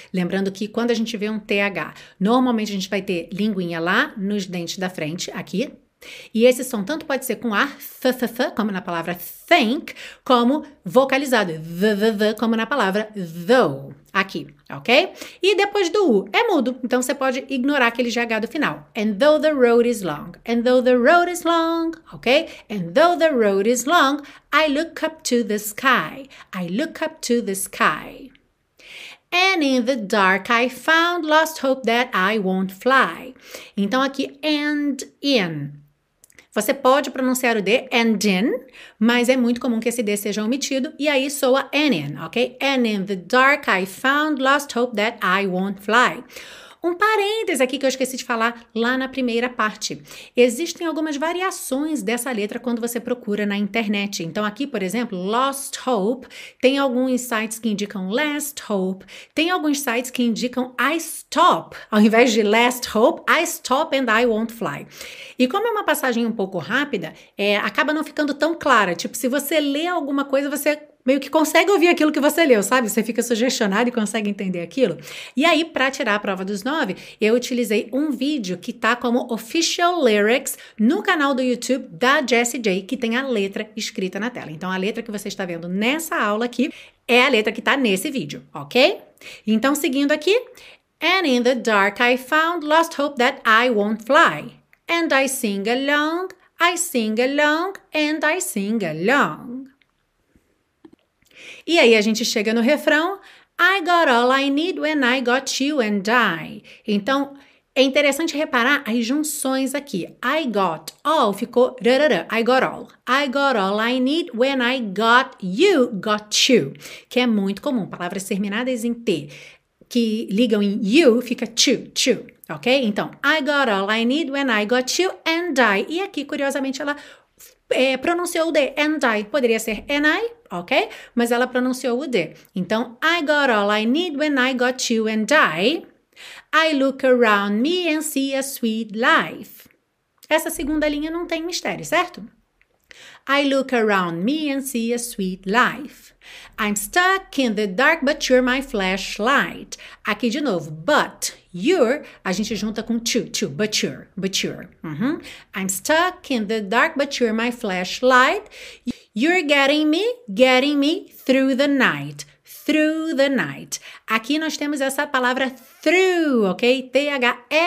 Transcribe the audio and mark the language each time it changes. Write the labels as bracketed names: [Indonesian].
[Portuguese] Lembrando que quando a gente vê um TH, normalmente a gente vai ter linguinha lá nos dentes da frente, aqui. E esse som tanto pode ser com ar, th, como na palavra think, como vocalizado, th, como na palavra though, aqui, ok? E depois do U, é mudo, então você pode ignorar aquele GH do final. [English] And though the road is long, and though the road is long, ok? And though the road is long, I look up to the sky, I look up to the sky. And in the dark I found lost hope that I won't fly. [Portuguese] Então aqui, [English] and in. [Portuguese] Você pode pronunciar o D, and in, mas é muito comum que esse D seja omitido e aí soa and in, ok? [English] And in the dark I found lost hope that I won't fly. [Portuguese] Um parênteses aqui que eu esqueci de falar lá na primeira parte. Existem algumas variações dessa letra quando você procura na internet. Então aqui, por exemplo, lost hope, tem alguns sites que indicam last hope, tem alguns sites que indicam I stop. Ao invés de last hope, I stop and I won't fly. E como é uma passagem um pouco rápida, acaba não ficando tão clara. Tipo, se você lê alguma coisa, você meio que consegue ouvir aquilo que você leu, sabe? Você fica sugestionado e consegue entender aquilo. E aí, para tirar a prova dos 9, eu utilizei um vídeo que tá como official lyrics no canal do YouTube da Jessie J, que tem a letra escrita na tela. Então, a letra que você está vendo nessa aula aqui é a letra que tá nesse vídeo, ok? Então, seguindo aqui. [English] And in the dark I found lost hope that I won't fly. And I sing along, and I sing along. [Portuguese] E aí a gente chega no refrão, [English] I got all I need when I got you and I. [Portuguese] Então, é interessante reparar as junções aqui. [English] I got all, [Portuguese] ficou rarara, I got all. [English] I got all I need when I got you, [Portuguese] que é muito comum, palavras terminadas em T, que ligam em you, fica to, ok? Então, [English] I got all I need when I got you and I. [Portuguese] E aqui, curiosamente, ela pronunciou o D, [English] and I, [Portuguese] poderia ser and I, ok? Mas ela pronunciou o D. [English] Então, I got all I need when I got you and I look around me and see a sweet life. [Portuguese] Essa segunda linha não tem mistério, certo? [English] I look around me and see a sweet life. I'm stuck in the dark, but you're my flashlight. [Portuguese] Aqui de novo, [English] but you're, [Portuguese] a gente junta com to, but you're. Uhum. [English] I'm stuck in the dark, but you're my flashlight. You're getting me through the night. Through the night. [Portuguese] Aqui nós temos essa palavra through, ok? T-H-R-O-U-G-H.